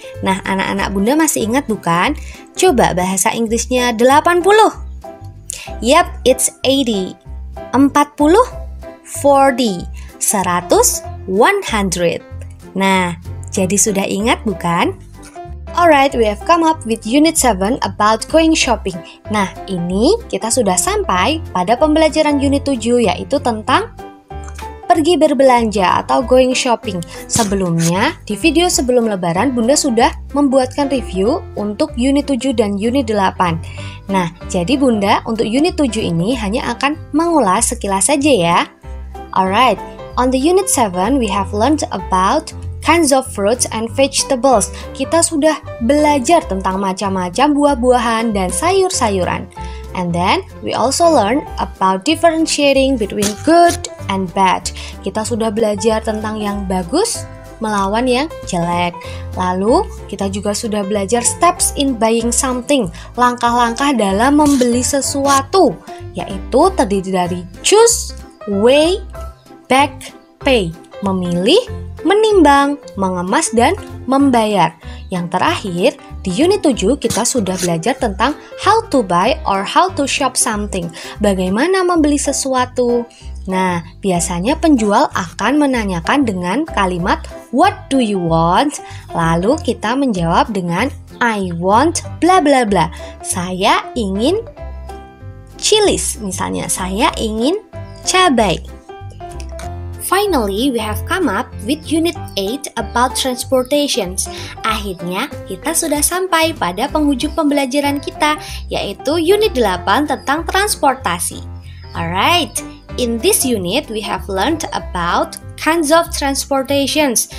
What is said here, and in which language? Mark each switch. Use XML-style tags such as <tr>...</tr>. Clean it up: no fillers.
<id>Nah, anak-anak bunda masih ingat bukan? Coba bahasa Inggrisnya 80.</id> <en>Yep, it's 80. 40? 40. 100? 100.</en> <id>Nah, jadi sudah ingat bukan?</id> <en>Alright, we have come up with unit 7 about going shopping.</en> <id>Nah, ini kita sudah sampai pada pembelajaran unit 7, yaitu tentang pergi berbelanja atau</id> <en>going shopping.</en> <id>Sebelumnya, di video sebelum lebaran, bunda sudah membuatkan review untuk unit 7 dan unit 8. Nah, jadi bunda, untuk unit 7 ini hanya akan mengulas sekilas saja ya.</id> <en>Alright, on the unit 7, we have learned about kinds of fruits and vegetables.</en> <id>Kita sudah belajar tentang macam-macam buah-buahan dan sayur-sayuran.</id> <en>And then we also learn about differentiating between good and bad.</en> <id>Kita sudah belajar tentang yang bagus melawan yang jelek. Lalu kita juga sudah belajar</id> <en>steps in buying something,</en> <id>langkah-langkah dalam membeli sesuatu, yaitu terdiri dari</id> <en>choose, weigh, pack, pay,</en> <id>memilih, menimbang, mengemas, dan membayar. Yang terakhir, di unit 7 kita sudah belajar tentang</id> <en>how to buy or how to shop something,</en> <id>bagaimana membeli sesuatu. Nah, biasanya penjual akan menanyakan dengan kalimat</id> <en>what do you want?</en> <id>Lalu kita menjawab dengan</id> <en>I want bla bla bla.</en> <id>Saya ingin chilies, misalnya saya ingin cabai.</id> <en>Finally, we have come up with unit 8 about transportation.</en> <id>Akhirnya, kita sudah sampai pada penghujung pembelajaran kita, yaitu unit 8 tentang transportasi.</id> <en>Alright, in this unit, we have learned about kinds of transportation.</en>